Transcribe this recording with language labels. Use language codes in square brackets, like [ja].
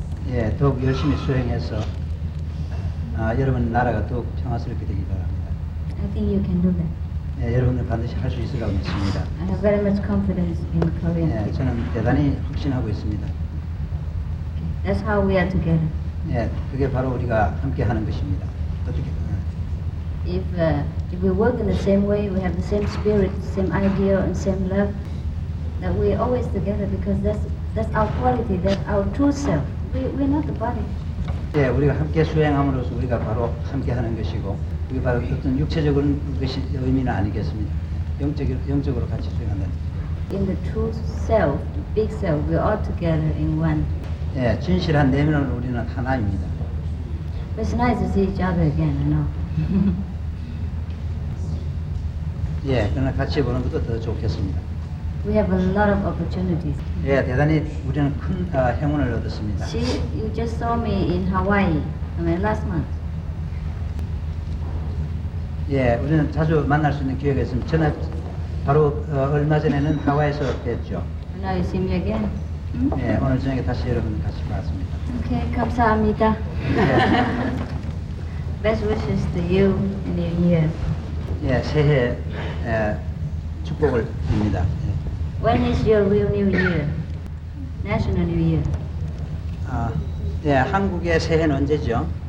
[ko] 예, 더욱 열심히 수행해서 여러분 나라가 더욱 평화스럽게 되기 바랍니다. [en] I think you can do that. [ko] 예, 여러분들 반드시 할 수 있을 것 같습니다. [en] I have very much confidence in Korean. [ko] 예, 저는 대단히 확신하고 있습니다. [en] Okay. That's how we are together. [ko] 예, 그게 바로 우리가 함께 하는 것입니다. [en] If we work in the same way, we have the same spirit, same idea, and same love, that we're always together because that's our quality, that's our true self. We're not the body. [ko] 예, 우리가 함께 수행함으로써 우리가 바로 함께 하는 것이고 이게 바로 어떤 육체적인 것이 의미는 아니겠습니다. 영적으로 같이 수행하는. [en] In the true self, the big self, we are all together in one. [ko] 예, 진실한 내면으로 우리는 하나입니다. [en] It's nice to see each other again, you know. [ko] 예, 그러나 같이 보는 것도 더 좋겠습니다. [en] We have a lot of opportunities. [ko] 예, 대단히 우리는 큰 행운을 얻었습니다. [en] See, you just saw me in Hawaii, I mean, last month. [ko] 예, 우리는 자주 만날 수 있는 기회가 있습니다. 전에 바로 얼마 전에는 하와이에서 뵀죠. [en] Now you see me again? Hmm? [ko] 예, 오늘 저녁에 다시 여러분 같이 봤습니다. [en] Okay, [ko] 감사합니다. [en] Best wishes to you in the new year. [ko] 예, 새해 예, 축복을 드립니다. [en] When is your real new year? National new year? [ko] 아, 네, 한국의 새해는 언제죠?